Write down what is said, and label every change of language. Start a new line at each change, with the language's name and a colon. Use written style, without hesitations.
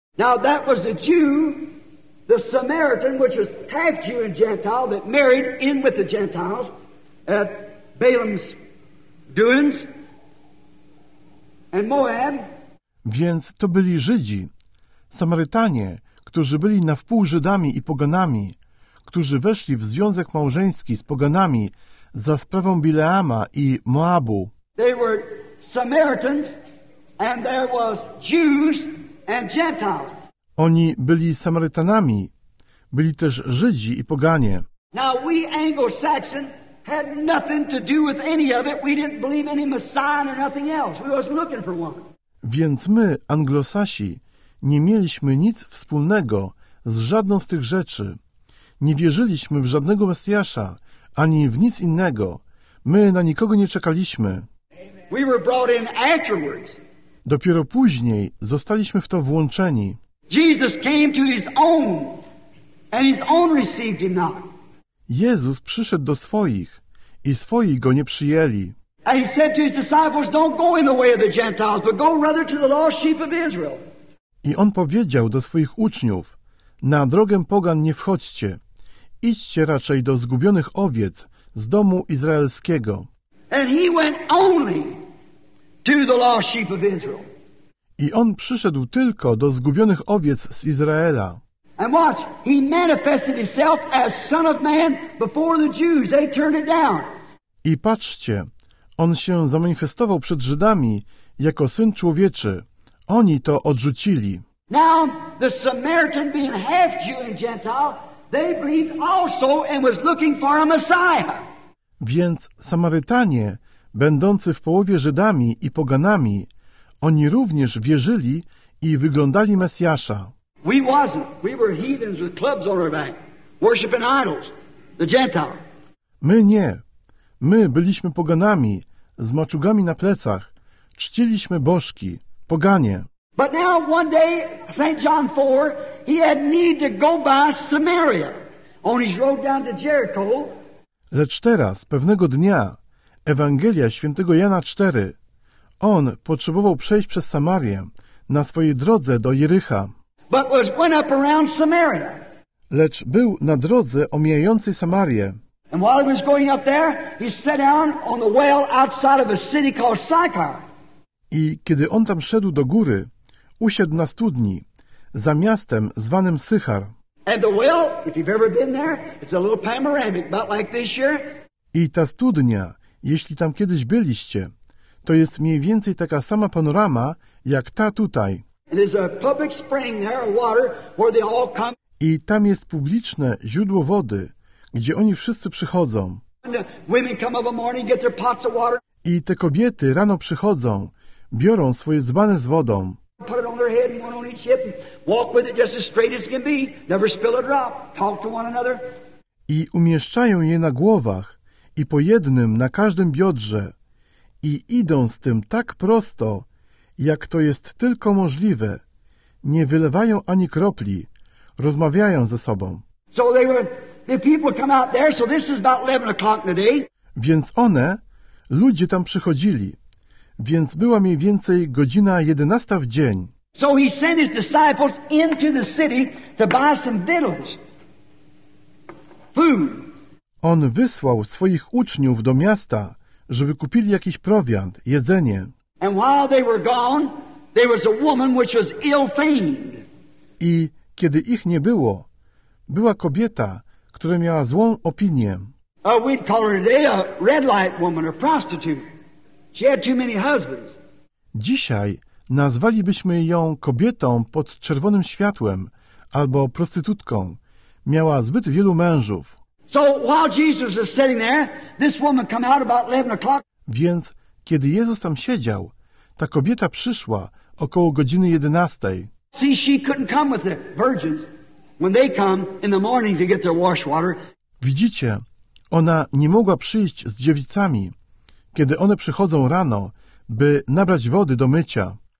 English: Now that was the Jew, the Samaritan, which was half Jew and Gentile, that married in with the Gentiles at Balaam's doings and Moab.
Polish: Więc to byli Żydzi, Samarytanie, którzy byli na wpół Żydami i poganami, którzy weszli w związek małżeński z poganami za sprawą Bileama i Moabu.
English: They were Samaritans and there was Jews and Gentiles.
Polish: Oni byli Samarytanami, byli też Żydzi i poganie.
English: Now we Anglo-Saxon had nothing to do with any of it. We didn't believe any Messiah or nothing else. We was looking for one.
Polish: Więc my, Anglosasi, nie mieliśmy nic wspólnego z żadną z tych rzeczy. Nie wierzyliśmy w żadnego Mesjasza, ani w nic innego. My na nikogo nie czekaliśmy.
English: We were brought in afterwards.
Polish: Dopiero później zostaliśmy w to włączeni.
English: Jesus came to his own, and his own received him not.
Polish: Jezus przyszedł do swoich i swoi go nie przyjęli.
English: And he said to his disciples, don't go in the way of the Gentiles, but go rather to the lost sheep of Israel.
Polish: I on powiedział do swoich uczniów, na drogę pogan nie wchodźcie, idźcie raczej do zgubionych owiec z domu izraelskiego.
English: And he went only to the lost sheep of Israel.
Polish: I on przyszedł tylko do zgubionych owiec z Izraela.
English: And watch, he manifested himself as son of man before the Jews. They turned it down.
Polish: I patrzcie, on się zamanifestował przed Żydami jako Syn Człowieczy. Oni to odrzucili.
English: Now, the Samaritan being half Jew and Gentile, they believed also and was looking for a Messiah.
Polish: Więc Samarytanie, będący w połowie Żydami i poganami, oni również wierzyli i wyglądali Mesjasza.
English: We wasn't. We were heathens with clubs on our back, worshiping idols, the Gentiles.
Polish: My nie. My byliśmy poganami, z maczugami na plecach. Czciliśmy bożki, poganie.
English: But now one day, St. John 4, he had need to go by Samaria on his road down to Jericho.
Polish: Lecz teraz, pewnego dnia, Ewangelia świętego Jana 4, on potrzebował przejść przez Samarię na swojej drodze do Jerycha.
English: But was went up around Samaria.
Polish: Lecz był na drodze omijającej Samarię.
English: And while he was going up there, he sat down on the well outside of a city called Sychar.
Polish: I kiedy on tam szedł do góry, usiadł na studni, za miastem zwanym Sychar.
English: And the well, if you've ever been there, it's a little panoramic, about like this here.
Polish: I ta studnia, jeśli tam kiedyś byliście, to jest mniej więcej taka sama panorama, jak ta tutaj.
English: And there's a public spring there, water, where they all come.
Polish: I tam jest publiczne źródło wody, gdzie oni wszyscy przychodzą.
English: And the women come up a morning, get their pots of water.
Polish: I te kobiety rano przychodzą, biorą swoje dzbany z wodą.
English: Put it on their head and one on each hip and walk with it just as straight as can be. Never spill a drop. Talk to one another.
Polish: I umieszczają je na głowach i po jednym na każdym biodrze i idą z tym tak prosto, jak to jest tylko możliwe. Nie wylewają ani kropli. Rozmawiają ze sobą.
English: So they were, the people come out there, so this is about 11 o'clock in the day.
Polish: Więc one, ludzie tam przychodzili. Więc była mniej więcej godzina 11 w dzień.
English: So he sent his disciples into the city to buy some victuals. Food.
Polish: On wysłał swoich uczniów do miasta, żeby kupili jakiś prowiant, jedzenie.
English: And while they were gone, there was a woman which was ill-famed.
Polish: I kiedy ich nie było, była kobieta, która miała złą opinię.
English: We'd call her today a red light woman, a prostitute. She had too many husbands.
Polish: Dzisiaj nazwalibyśmy ją kobietą pod czerwonym światłem albo prostytutką. Miała zbyt wielu mężów.
English: So while Jesus was sitting there, this woman came out about 11 o'clock.
Polish: Więc kiedy Jezus tam siedział, ta kobieta przyszła około godziny 11.
English: See, she couldn't come with the virgins when they come in the morning to get their wash water.
Polish: Widzicie, ona nie mogła przyjść z dziewicami, kiedy one przychodzą rano, by nabrać wody do mycia.